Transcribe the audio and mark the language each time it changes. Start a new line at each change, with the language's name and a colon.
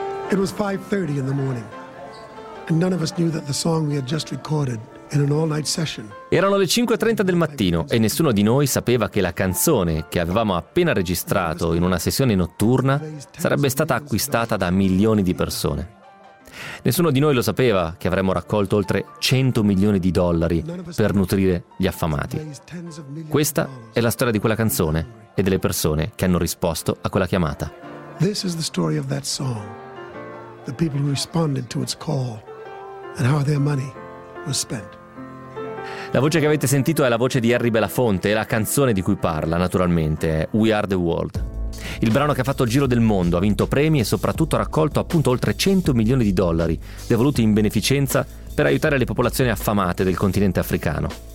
English: It was 5:30 in the morning and none of us knew that the song we had just recorded in an all-night session.
Italian: Erano le 5:30 del mattino e nessuno di noi sapeva che la canzone che avevamo appena registrato in una sessione notturna sarebbe stata acquistata da milioni di persone. Nessuno di noi lo sapeva che avremmo raccolto oltre 100 milioni di dollari per nutrire gli affamati. Questa è la storia di quella canzone e delle persone che hanno risposto a quella chiamata.
English: This is the story of that song. The people who responded to its call and how their money was spent.
Italian: La voce che avete sentito è la voce di Harry Belafonte e la canzone di cui parla, naturalmente, è We Are the World. Il brano che ha fatto il giro del mondo, ha vinto premi e soprattutto ha raccolto appunto oltre 100 milioni di dollari devoluti in beneficenza per aiutare le popolazioni affamate del continente africano.